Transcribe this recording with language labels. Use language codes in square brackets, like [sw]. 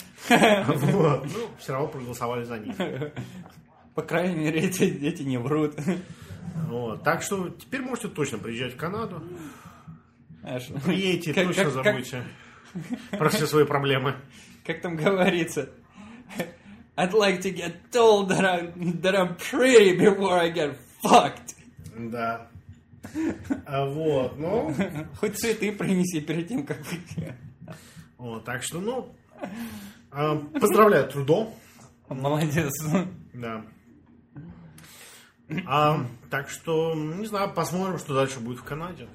[ru] Вот. Ну, все равно проголосовали за них. По крайней мере, эти дети не врут. Вот. Так что теперь можете точно приезжать в Канаду. Знаешь, приедете, как, точно как, забудьте про все свои проблемы. Как там говорится... [en] I'd like to get told that I'm pretty before I get fucked. [ru] Да. А вот, ну... Хоть цветы принеси перед тем, как... Вот, так что, ну... Поздравляю, Трудо. Молодец. Да. Так что, не знаю, посмотрим, что дальше будет в Канаде.